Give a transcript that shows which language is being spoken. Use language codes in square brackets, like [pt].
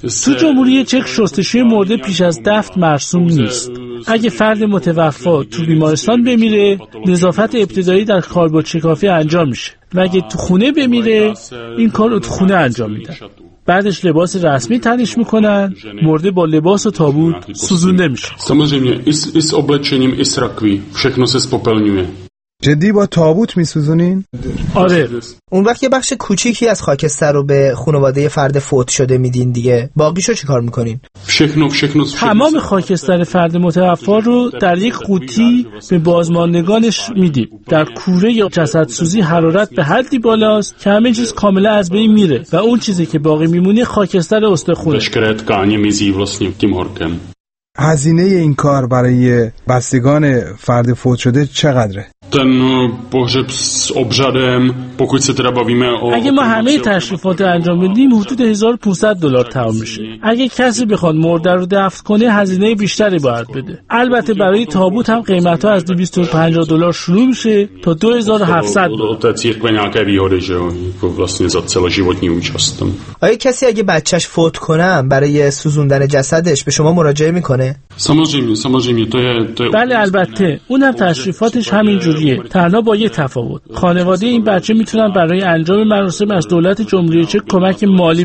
[fa] تو جمهوری چک شستشوی مرده پیش از دفن مرسوم نیست. اگه فرد متوفا تو بیمارستان بمیره، نظافت ابتدایی در کاربرد شکافی انجام میشه. و اگه تو خونه بمیره، این کار رو تو خونه انجام میدن. بعدش لباس رسمی تنش میکنن، مرده با لباس و تابوت سوزونده میشه. [cs] Samozřejmě, i s oblečením, i s rakví, všechno se spopelňuje. [fa] جدی با تابوت میسوزونین؟ آره. اون وقت یه بخش کوچیکی از خاکستر رو به خانواده فرد فوت شده میدین دیگه. باقیشو چیکار میکنین؟ تمام خاکستر فرد متوفا رو در یک قوطی به بازماندگانش میدیم. در کوره یا جسد سوزی حرارت به حدی بالاست که همه چیز کاملا از بین میره و اون چیزی که باقی میمونه خاکستر استخونه. بشکرت کانی میزی ولسنیم تیم هورکم. هزینه این کار برای بستگان فرد فوت شده چقدره؟ [cs] ten pohřeb s obřadem, pokud se teda bavíme o... [fa] اگه ما همه تشریفات انجام بدیم حدود 1500 دلار تمام میشه. اگه کسی بخواد مرده رو دفن کنه هزینه بیشتری باید بده. البته برای تابوت هم قیمت ها از 250 دلار شروع میشه تا 2700 دلار. تا تقریبا [cs] nějaké výhody, že jo, vlastně za celoživotní účast. [fa] آیا کسی اگه بچه‌ش فوت کنه برای سوزوندن جسدش به شما مراجعه میکنه؟ [cs] Samozřejmě, to je [fa] بله البته. اونم تشریفاتش همین جوریه. تنها با یه تفاوت. خانواده این بچه میتونن برای انجام مراسم از دولت جمهوری چک کمک مالی